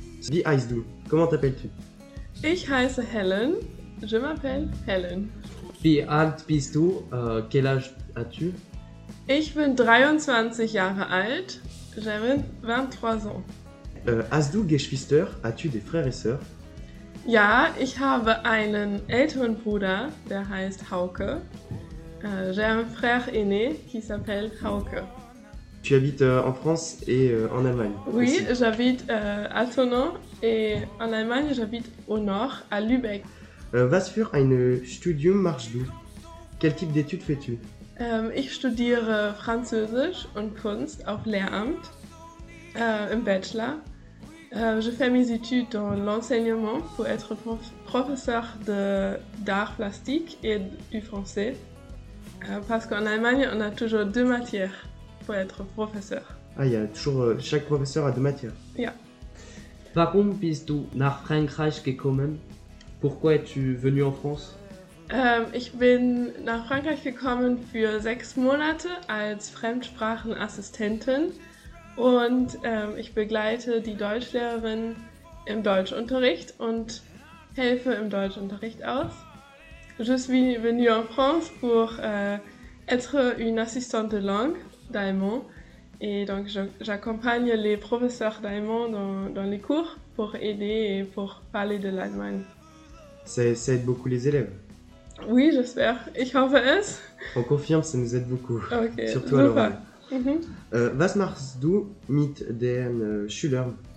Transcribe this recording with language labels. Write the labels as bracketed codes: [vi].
[de] Wie heißt du? [fr] Comment t'appelles-tu? [de] Ich heiße Helen. [fr] Je m'appelle Helen. [de] Wie alt bist du? [fr] Quel âge as-tu? [de] Ich bin 23 Jahre alt. [fr] J'ai 23 ans. [de] Hast du Geschwister? [fr] As-tu des frères et sœurs? [de] Ja, ich habe einen älteren Bruder, der heißt Hauke. [fr] J'ai un frère aîné qui s'appelle Hauke. Tu habites en France et en Allemagne? Oui, aussi. J'habite à Thonon et en Allemagne, j'habite au nord, à Lübeck. [de] Was für ein Studium machst du? [fr] Quel type d'études fais-tu? [de] Ich studiere Französisch und Kunst auf Lehramt, im Bachelor. [fr] Je fais mes études dans l'enseignement pour être professeur d'art plastique et du français. Parce qu'en Allemagne, on a toujours deux matières pour être professeur. Ah, il y a toujours... chaque professeur a deux matières. Yeah. [de] Warum bist du nach Frankreich gekommen? [fr] Pourquoi es-tu venu en France? [de] Ich bin nach Frankreich gekommen für 6 Monate als Fremdsprachenassistentin und ich begleite die Deutschlehrerin im Deutschunterricht und helfe im Deutschunterricht aus. [fr] Je suis venu en France pour être une assistante de langue d'allemand et donc j'accompagne les professeurs d'allemand dans les cours pour aider et pour parler de l'Allemagne. Ça aide beaucoup les élèves. Oui, j'espère. [de] Ich hoffe es. [fr] On confirme, ça nous aide beaucoup. Ok, surtout À l'oral. [de] Was machst du mit den Schülern?